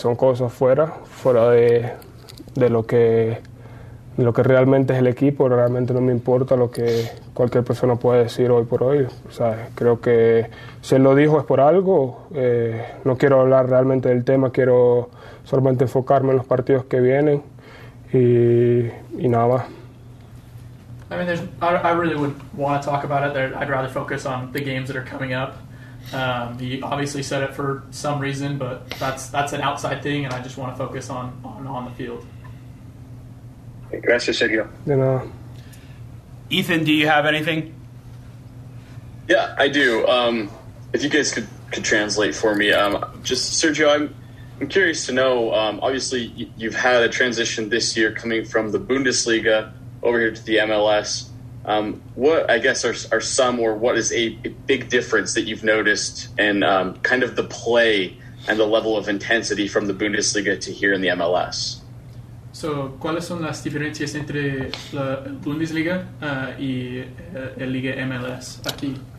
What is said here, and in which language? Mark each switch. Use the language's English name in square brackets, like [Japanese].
[Spanish] Son cosas fuera de lo que realmente es el equipo. Realmente no me importa lo que cualquier persona puede decir hoy por hoy. ¿Sabes? Creo que si él lo dijo es por algo. No quiero hablar realmente del tema. Quiero solamente enfocarme en los partidos que vienen y nada más. [English] I mean, I really wouldn't want to talk about it. I'd rather focus on the games that are coming up. He obviously said it for some reason, but that's an outside thing, and I just want to focus on the field. [Spanish] Gracias, Sergio. De nada. [English] Ethan, do you have anything? Yeah, I do. If you guys could translate for me. Just Sergio, I'm curious to know, obviously you've had a transition this year coming from the Bundesliga over here to the MLS. What, I guess, are some, or what is a big difference that you've noticed in kind of the play and the level of intensity from the Bundesliga to here in the MLS? [Spanish] So, ¿cuáles son las diferencias entre la Bundesliga y la Liga MLS aquí?